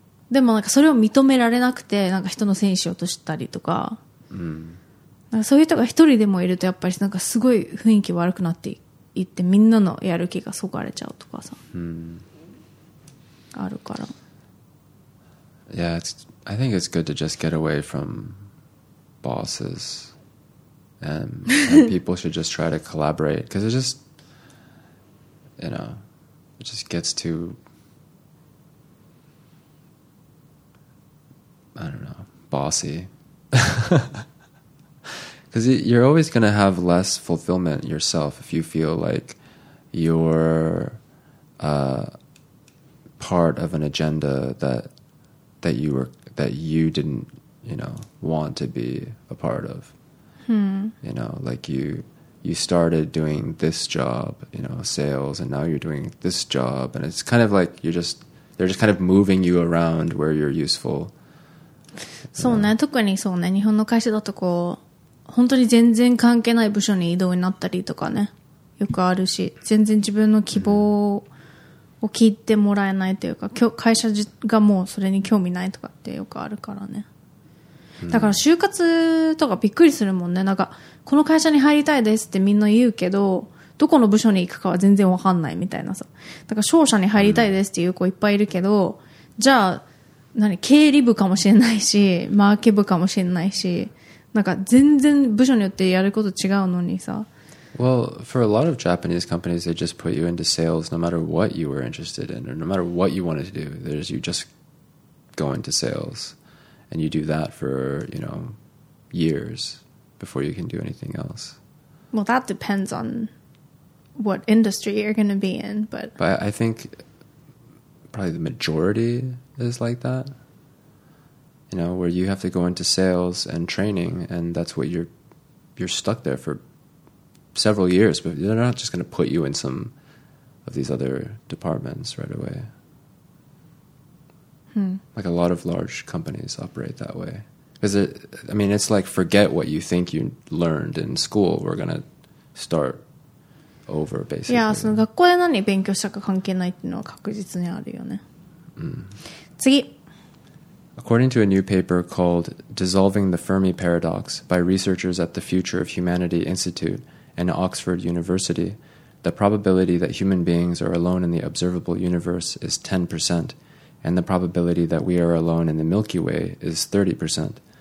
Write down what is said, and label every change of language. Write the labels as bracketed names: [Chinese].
[Japanese] でもなんかそれを認められなくて、なんか人のせいにしようとしたりとか、なんかそういう人が一人でもいるとやっぱりなんかすごい雰囲気悪くなっていって、みんなのやる気がそがれちゃうとかさ、あるから。 [English] Yeah, I think it's good to just get away from bosses and people should just try to collaborate, because it just, you know, it just gets too, I don't know, bossy. Because you're always going to have less fulfillment yourself if you feel like you're part of an agenda that you didn't, you know, want to be a part of. You know, like you started doing this job, you know, sales, and now you're doing this job, and it's kind of like they're just kind of moving you around where you're useful. [Japanese] そうね、特にそうね、日本の会社だとこう本当に全然関係ない部署に異動になったりとかね、よくあるし、全然自分の希望を聞いてもらえないというか、会社がもうそれに興味ないとかってよくあるからね。だから就活とかびっくりするもんね。なんかこの会社に入りたいですってみんな言うけど、どこの部署に行くかは全然わかんないみたいなさ。だから商社に入りたいですっていう子いっぱいいるけど、じゃあ何経理部かもしれないし、マーケ部かもしれないし、なんか全然部署によってやること違うのにさ。 [English] Well, for a lot of Japanese companies, they just put you into sales no matter what you were interested in or no matter what you wanted to do. There's you just go into sales and you do that for, you know, years before you can do anything else. Well, that depends on what industry you're going to be in. But I think probably the majority is like that, you know, where you have to go into sales and training and that's what you're stuck there for. Several years, but they're not just going to put you in some of these other departments right away. Like a lot of large companies operate that way. Because I mean, it's like forget what you think you learned in school. We're going to start over, basically. [Japanese] Yeah, その学校で何勉強したか関係ないっていうのは確実にあるよね。次。 [English] According to a new paper called "Dissolving the Fermi Paradox" by researchers at the Future of Humanity Institute. And Oxford University, the probability that human beings are alone in the observable universe is 10%, and the probability that we are alone in the Milky Way is 30%.